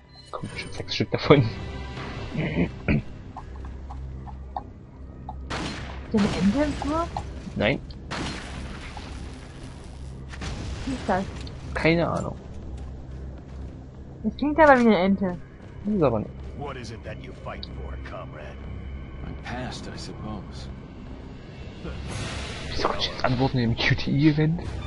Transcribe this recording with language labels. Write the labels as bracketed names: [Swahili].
[German] Kommt schon 6 Stück davon. Der mit Endgame nur? Nein. Wie ist das? Keine Ahnung. Das klingt aber wie eine Ente. Das ist aber nicht. [English] What is it that you fight for, comrade? My past, I suppose. [German] Wieso kann ich jetzt antworten im QTE-Event?